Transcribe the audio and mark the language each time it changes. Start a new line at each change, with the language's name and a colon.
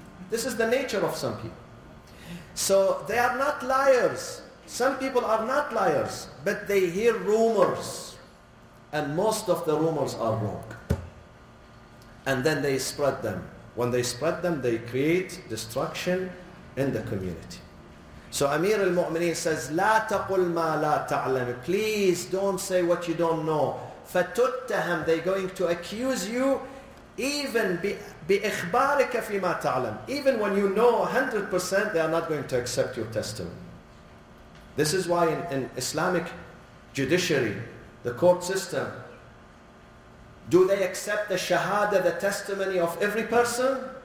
English: This is the nature of some people. So they are not liars. Some people are not liars, but they hear rumors. And most of the rumors are wrong. And then they spread them. When they spread them, they create destruction in the community. So Amir al-Mu'mineen says,
Arabic: لا تقل ما لا تعلم.
English: Please don't say what you don't know.
Arabic: فتتهم.
English: They're going to accuse you even
Arabic: بإخبارك فيما تعلم.
English: Even when you know 100%, they are not going to accept your testimony. This is why in Islamic judiciary, the court system, do they accept the shahada, the testimony of every person?